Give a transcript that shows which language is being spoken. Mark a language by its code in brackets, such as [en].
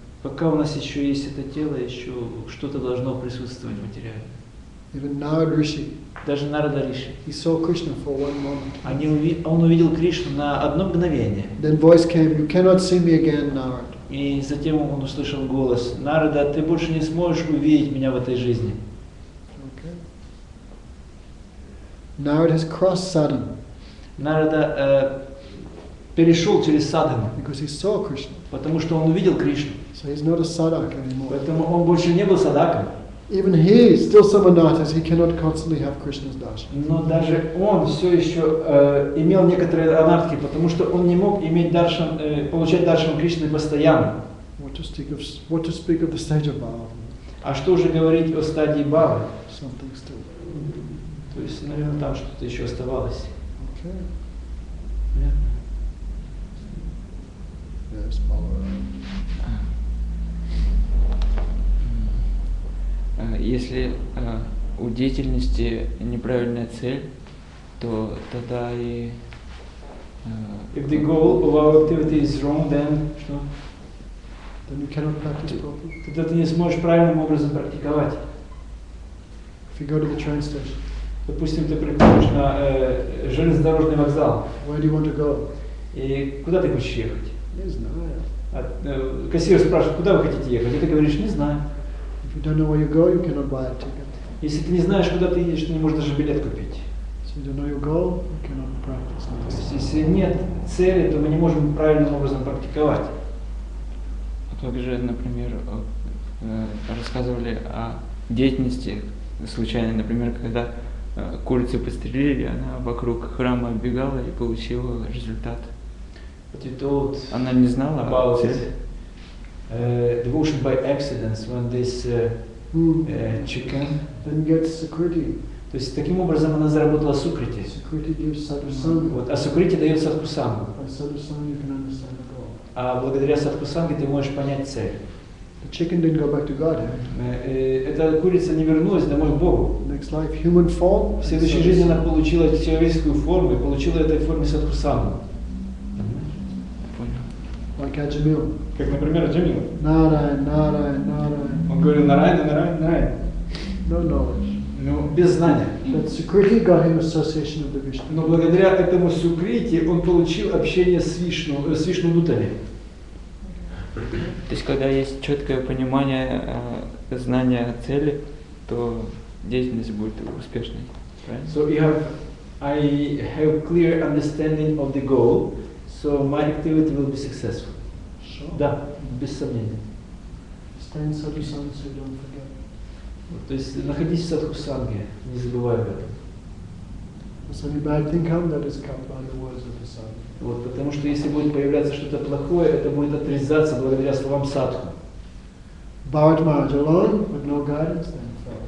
[ru] Пока у нас еще есть это тело, еще что-то должно присутствовать в материале. [en] Even Narada Rishi. [ru] Даже Narada Rishi. [en] He saw Krishna for one moment. [ru] Он увидел Кришну на одно мгновение. [en] Then voice came, you cannot see me again, Narada. [ru] И затем он услышал голос: Нарада, ты больше не сможешь увидеть меня в этой жизни. [en] Okay. Narada has crossed Sadhana. [ru] Нарада перешел через Садхану. [en] Because he saw Krishna. [ru] Потому что он увидел Кришну. [en] So he's not a sadhaka anymore. [ru] Поэтому он больше не был садаком. [en] Even he is still some anatta, he cannot constantly have Krishna's darshan. [ru] Но даже он все еще имел некоторые анатки, потому что он не мог иметь даршан, получать даршан Кришны постоянно. [en] What to speak of the stage of Bhava? [ru] А что же говорить о стадии Бхавы? [en] Something still. [ru] То есть, наверное, там что-то еще оставалось. [en] Okay. Yeah. Yes, Bhava. [ru] Если у деятельности неправильная цель, то тогда и... [en] If the goal of our activity is wrong, then... Что? Then you cannot practice properly. [ru] Тогда ты не сможешь правильным образом практиковать. [en] If you go to the train station. [ru] Допустим, ты приходишь на железнодорожный вокзал. [en] Where do you want to go? [ru] И куда ты хочешь ехать? Не знаю. Кассир спрашивает, куда вы хотите ехать? И ты говоришь, не знаю. [en] If you don't know where you go, you cannot buy a ticket. [ru] Если ты не знаешь, куда ты едешь, ты не можешь даже билет купить. [en] So you don't know your goal, you cannot practice. [ru] То есть, если нет цели, то мы не можем правильным образом практиковать. А как же, например, рассказывали о деятельности случайной, например, когда курицу подстрелили, она вокруг храма оббегала и получила результат. [en] But you told [ru] она не знала о цели. [en] Devotion by accident when this chicken then gets sukriti. [ru] То есть таким образом она заработала сукрити. [en] Sukriti gives sadhusanga. [ru] Вот, а сукрити дает садхусангу. [en] By sadhusanga you can understand the goal. [ru] А благодаря садхусанге ты можешь понять цель. [en] The chicken didn't go back to God. [ru] Эта курица не вернулась домой к Богу. [en] Next life human form. [ru] В следующей жизни она получила человеческую форму и получила этой форме садхусангу. [en] Like Аджамил. [ru] Как, например, Аджамил. Нарайан. Он говорит, Нарайан. [en] No knowledge. [ru] Ну, без знания. [en] But Sukriti got him association of the Vishnu. [ru] Но благодаря этому Сукрити он получил общение с Вишну, с Вишну Дутами. То есть, когда есть четкое понимание знания цели, то деятельность будет успешной. [en] Right? So I have clear understanding of the goal. So my activity will be successful. Sure. [ru] Да, без сомнения. [en] Stay in sadhusanga, so you don't forget. [ru] Вот, то есть находись в садхусанге, не забывай об этом. [en] So any bad thing come, that is come by the words of the sadhu. [ru] Вот, потому что если будет появляться что-то плохое, это будет отрезаться благодаря словам садху. [en] Bharat Maharaj alone, with no guidance, then fell.